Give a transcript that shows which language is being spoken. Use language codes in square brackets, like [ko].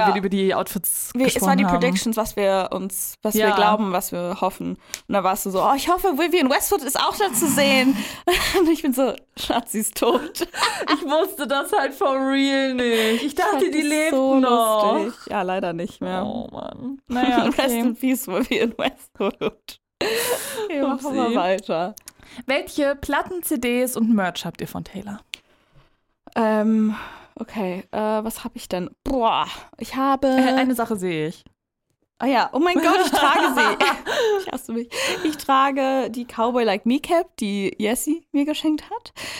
[de] weil wir über die Outfits gesprochen haben. Es waren die haben. Predictions, was wir uns, was ja. wir glauben, was wir hoffen. Und da warst du so, oh, ich hoffe, Vivian Westwood ist auch da zu sehen. Und ich bin so, Schatz, sie ist tot. Ich wusste das halt [en] for real [de] nicht. Ich dachte, die lebt so noch. Lustig. Ja, leider nicht mehr. Oh, Mann. Naja, okay. [en] Rest in peace, Vivian Westwood. [de] Hey, machen wir weiter. Welche Platten, CDs und Merch habt ihr von Taylor? Okay, was habe ich denn? Boah, ich habe... Eine Sache sehe ich. Ah ja, oh mein Gott, ich trage sie. Ich hasse mich. Ich trage die Cowboy Like Me Cap, die Jessie mir geschenkt hat.